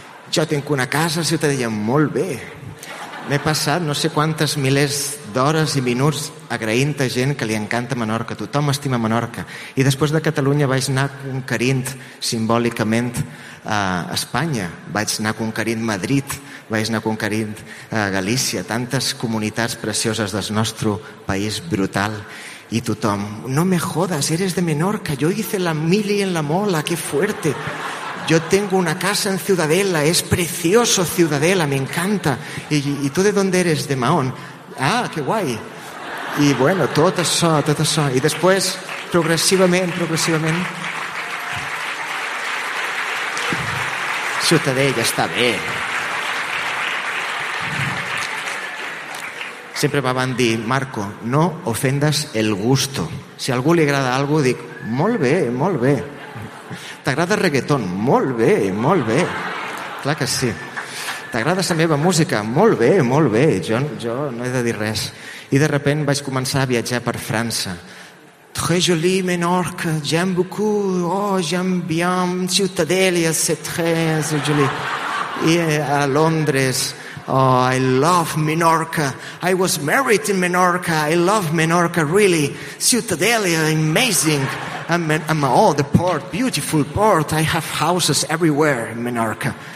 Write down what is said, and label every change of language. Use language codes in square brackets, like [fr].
[ca] Jo tinc una casa a Ciutadella, molt bé. M'he passat no sé quantes milers d'hores i minuts agraint a gent que li encanta Menorca, tothom estima Menorca. I després de Catalunya vaig anar conquerint simbòlicament Espanya, vaig anar conquerint Madrid, vaig anar conquerint Galícia, tantes comunitats precioses del nostre país brutal. I tothom, [es] no me jodas, eres de Menorca, yo hice la mili en la mola, qué fuerte. Yo tengo una casa en Ciudadela, es precioso Ciudadela, me encanta. ¿Y tú de dónde eres? De Mahón. Ah, qué guay. Y bueno, todo eso, todo eso. Y después, progresivamente... Ciutadella está bien. Siempre me van a decir, Marco, no ofendas el gusto. Si a algú le agrada algo, digo, [ca] molt bé, molt bé. T'agrada reggaetón? Molt bé, molt bé. Clar que sí. T'agrada la meva música? Molt bé, molt bé. Jo no he de dir res. I [es] de repente [ca] vaig començar a viatjar per França. [fr] Très joli, Menorca, j'aime beaucoup, oh, j'aime bien, Ciutadella, c'est très joli. [ca] I a Londres, [en] oh, I love Menorca, I was married in Menorca, I love Menorca, really, Ciutadella, amazing. I'm all the port, beautiful port, I have houses everywhere in Menorca.